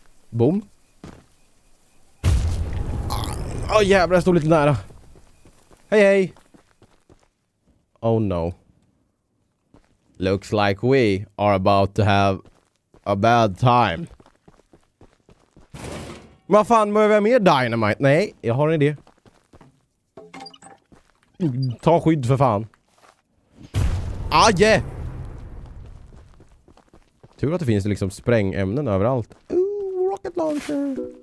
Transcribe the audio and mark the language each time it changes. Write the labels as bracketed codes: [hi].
[en] Boom. [sv] Åh, oh, jävlar, jag stod lite nära. Hej, hej. [en] Oh no. Looks like we are about to have a bad time. [sv] Vad fan, behöver jag mer dynamite? Nej, jag har en idé. Ta skydd för fan. Aje! Tur att det finns liksom sprängämnen överallt. Launcher.